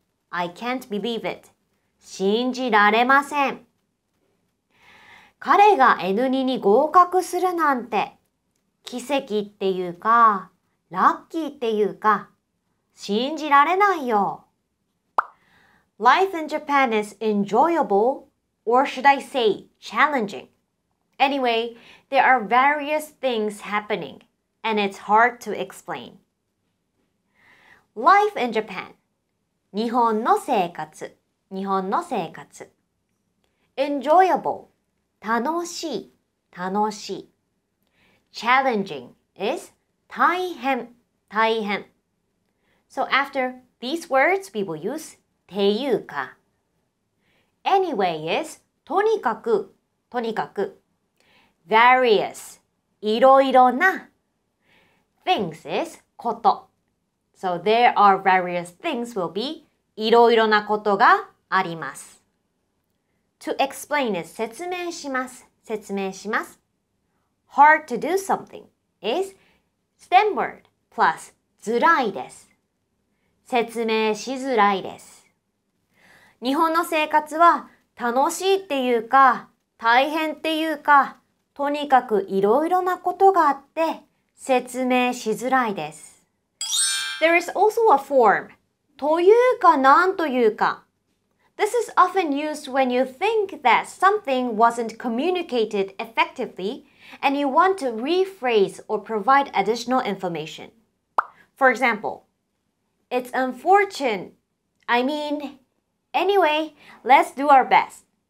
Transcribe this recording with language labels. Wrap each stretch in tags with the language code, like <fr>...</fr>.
<en>I can't believe it.</en> <ja>信じられません。彼が N2 に合格するなんて、奇跡っていうか、ラッキーっていうか、信じられないよ。</ja> <en>Life in Japan is enjoyable, or should I say challenging. Anyway,There are various things happening, and it's hard to explain. Life in Japan.</en> <ja>日本の生活日本の生活</ja> <en>Enjoyable.</en> <ja>楽しい楽しい</ja> <en>Challenging is</en> <ja>大変大変</ja> <en>So after these words, we will use</en> <ja>ていうか</ja> <en>Anyway is</en> <ja>とにかくとにかく</ja> <en>Various,</en> <ja>いろいろな</ja> <en>Things is</en> <ja>こと</ja> <en>So there are various things will be</en> <ja>いろいろなことがあります</ja> <en>To explain is</en> <ja>説明します説明します</ja> <en>Hard to do something is stem word plus</en> <ja>づらいです説明しづらいです日本の生活は楽しいっていうか大変っていうかとにかくいろいろなことがあって説明しづらいです。</ja> <en>There is also a form,</en> <ja>というかなんというか。</ja> <en>This is often used when you think that something wasn't communicated effectively and you want to rephrase or provide additional information. For example, It's unfortunate. I mean, anyway, let's do our best.</en>